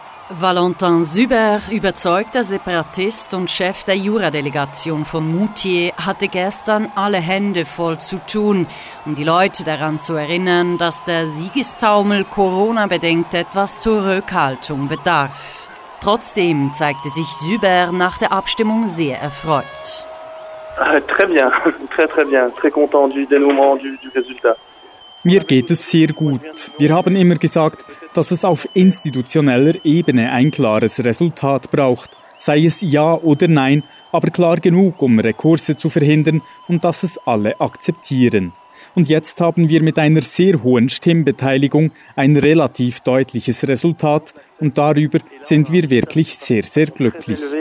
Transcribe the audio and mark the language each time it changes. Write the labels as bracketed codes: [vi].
[de] Valentin Süber, überzeugter Separatist und Chef der Jura-Delegation von Moutier, hatte gestern alle Hände voll zu tun, um die Leute daran zu erinnern, dass der Siegestaumel Corona-bedingt etwas Zurückhaltung bedarf. Trotzdem zeigte sich Süber nach der Abstimmung sehr erfreut. [fr] Très bien, très très bien, très content du dénouement du résultat. [de] Mir geht es sehr gut. Wir haben immer gesagt, dass es auf institutioneller Ebene ein klares Resultat braucht. Sei es ja oder nein, aber klar genug, um Rekurse zu verhindern und dass es alle akzeptieren. Und jetzt haben wir mit einer sehr hohen Stimmbeteiligung ein relativ deutliches Resultat und darüber sind wir wirklich sehr, sehr glücklich.